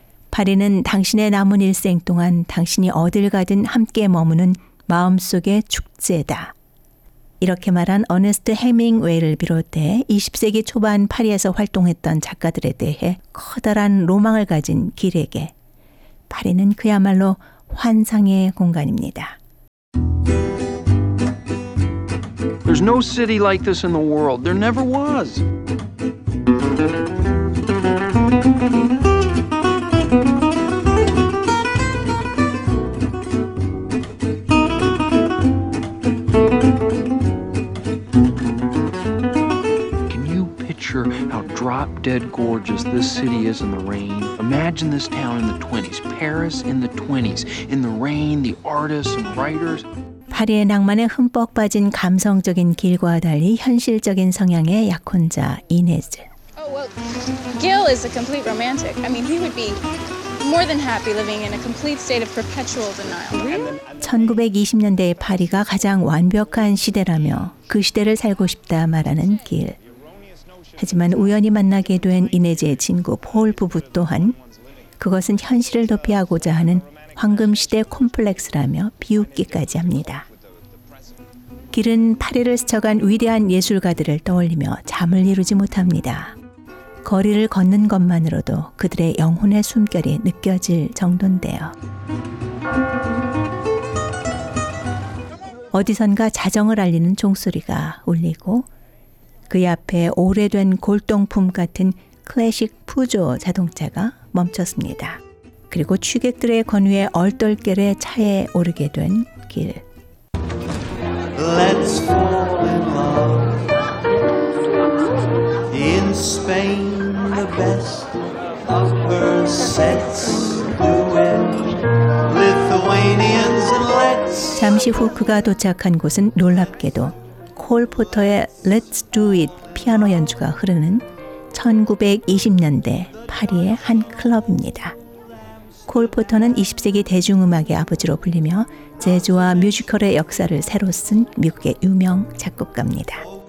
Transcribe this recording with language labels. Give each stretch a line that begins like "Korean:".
Korean: 파리는 당신의 남은 일생 동안 당신이 어딜 가든 함께 머무는 마음속의 축제다. 이렇게 말한 어네스트 헤밍웨이를 비롯해 20세기 초반 파리에서 활동했던 작가들에 대해 커다란 로망을 가진 길에게 파리는 그야말로 환상의 공간입니다.
English: There's no city like this in the world. There never was. Can you picture how drop-dead gorgeous this city is in the rain? Imagine this town in the 20s, Paris in the 20s, in the rain, the artists and writers.
Korean: 파리의 낭만에 흠뻑 빠진 감성적인 길과 달리 현실적인 성향의 약혼자 이네즈.
English: Oh, well, Gil is a complete romantic. I mean, he would be more than happy living in a complete state of perpetual denial. Really?
Korean: 1920년대의 파리가 가장 완벽한 시대라며 그 시대를 살고 싶다 말하는 길. 하지만 우연히 만나게 된 이내지의 친구 폴 부부 또한 그것은 현실을 도피하고자 하는 황금시대 콤플렉스라며 비웃기까지 합니다. 길은 파리를 스쳐간 위대한 예술가들을 떠올리며 잠을 이루지 못합니다. 거리를 걷는 것만으로도 그들의 영혼의 숨결이 느껴질 정도인데요. 어디선가 자정을 알리는 종소리가 울리고 그 앞에 오래된 골동품 같은 클래식 푸조 자동차가 멈췄습니다. 그리고 취객들의 권유에 얼떨결에 차에 오르게 된 길.
English: Let's fall in love. In Spain, the best upper sets do it. Lithuanians, let's.
Korean: 잠시 후 그가 도착한 곳은 놀랍게도 폴 포터의 Let's Do It 피아노 연주가 흐르는 1920년대 파리의 한 클럽입니다. 폴 포터는 20세기 대중음악의 아버지로 불리며 재즈와 뮤지컬의 역사를 새로 쓴 미국의 유명 작곡가입니다.